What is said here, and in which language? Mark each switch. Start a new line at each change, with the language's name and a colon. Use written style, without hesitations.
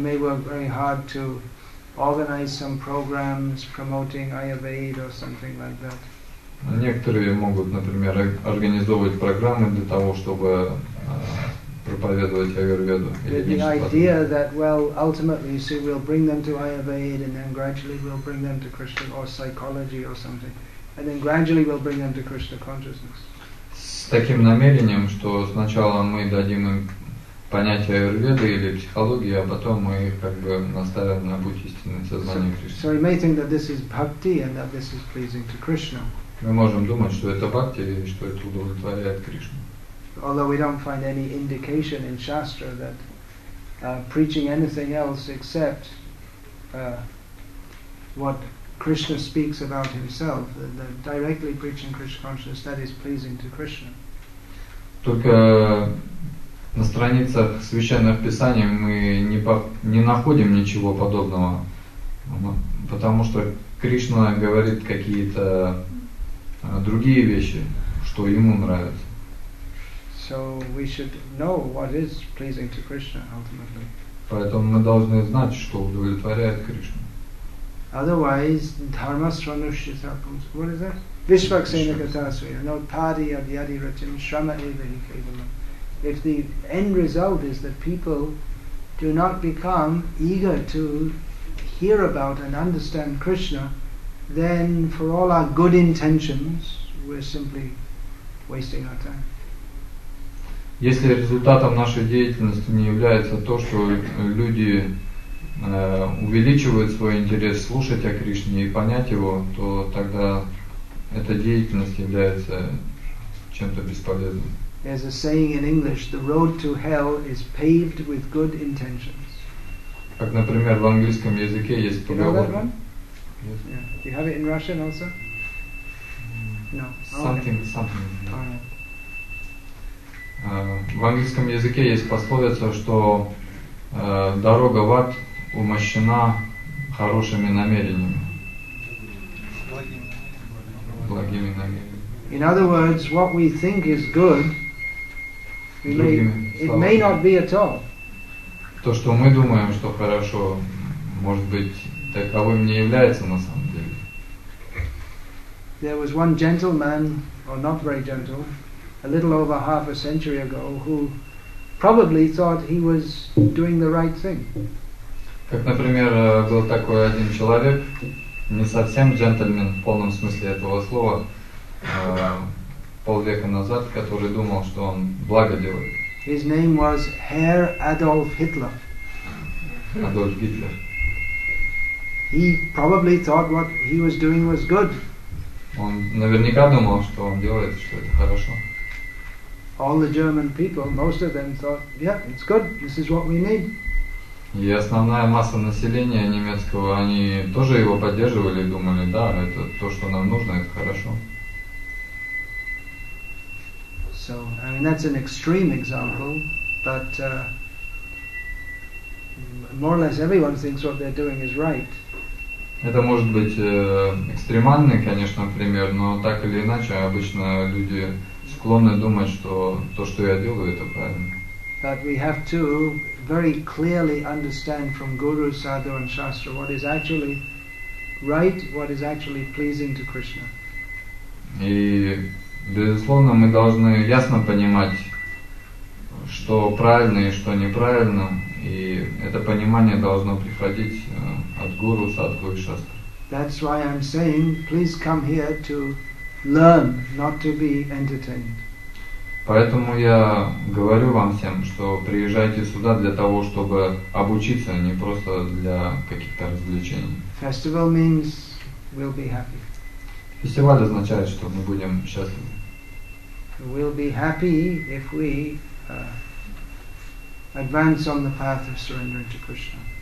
English: They may work very hard to organize some programs promoting Ayurveda or something like that.
Russian: Некоторые могут, например, организовывать программы для того, чтобы проповедовать Аюрведу.
English: The idea that, well, ultimately, you see, we'll bring them to Ayurveda and then gradually we'll bring them to Krishna or psychology or something, and then gradually we'll bring them to Krishna consciousness.
Russian: С таким намерением, что сначала мы дадим им понятие Аюрведы или психологии, а потом мы их как бы наставим на путь истинного сознания Кришны.
English: So we may think that this is bhakti and that this is pleasing to Krishna.
Russian: Мы можем думать, что это бхакти и что это удовлетворяет Кришну.
English: Although we don't find any indication in Shastra that preaching anything else except what Krishna speaks about himself, that directly preaching Krishna consciousness, that is pleasing to Krishna.
Russian: Только на страницах священных писаний мы не находим ничего подобного, потому что Кришна говорит какие-то другие вещи, что ему нравится.
English: So we should know what is pleasing to Krishna ultimately.
Russian: Поэтому мы должны знать, что удовлетворяет Кришну.
English: Otherwise, dharma sranushita comes. What is that?
Sanskrit: Vishvaksena katasvi. No padi adhyadi ratim shrama eva hi kevalam.
English: If the end result is that people do not become eager to hear about and understand Krishna, then for all our good intentions, we're simply wasting our time.
Russian: Если результатом нашей деятельности не является то, что люди увеличивают свой интерес слушать о Кришне и понять его, то тогда эта деятельность является чем-то бесполезным.
English: There's a saying in English, the road to hell is paved with good intentions.
Russian: Как, например, в английском языке есть поговорка.
English: You know that one? Yes. Yeah. Do you have it in Russian also? No. Something. Yeah.
Russian: В английском языке есть пословица, что дорога в ад умощена хорошими намерениями. Благими намерениями.
English: In other words, what we think is good, it may not be at all.
Russian: То, что мы думаем, что хорошо, может быть, таковым не является на самом деле.
English: There was one gentleman, or not very gentle, a little over half a century ago, who probably thought he was doing the right thing.
Russian: Как, например, был такой один человек, не совсем джентльмен в полном смысле этого слова, полвека назад, который думал, что он благо делает.
English: His name was Herr Adolf Hitler. Adolf Hitler. He probably thought what he was doing was good.
Russian: Он наверняка думал, что он делает, что это хорошо.
English: All the German people, most of them thought, yeah, it's good, this is what we need.
Russian: И основная масса населения немецкого, они тоже его поддерживали и думали, да, это то, что нам нужно, это хорошо.
English: So, I mean, that's an extreme example, but more or less everyone thinks what they're doing is right.
Russian: Это может быть экстремальный, конечно, пример, но так или иначе, обычно люди склонны думать, что то, что я делаю, это правильно.
English: But we have to very clearly understand from Guru, Sadhu and Shastra what is actually right, what is actually pleasing to Krishna.
Russian: И, безусловно, мы должны ясно понимать, что правильно и что неправильно, и это понимание должно приходить от Гуру, Садху и Шастры.
English: That's why I'm saying, please come here to learn, not to be entertained.
Russian: Поэтому я говорю вам всем, что приезжайте сюда для того, чтобы обучиться, а не просто для каких-то развлечений.
English: Festival means we'll be happy.
Russian: Фестиваль означает, что мы будем счастливы.
English: We'll be happy if we advance on the path of surrender to Krishna.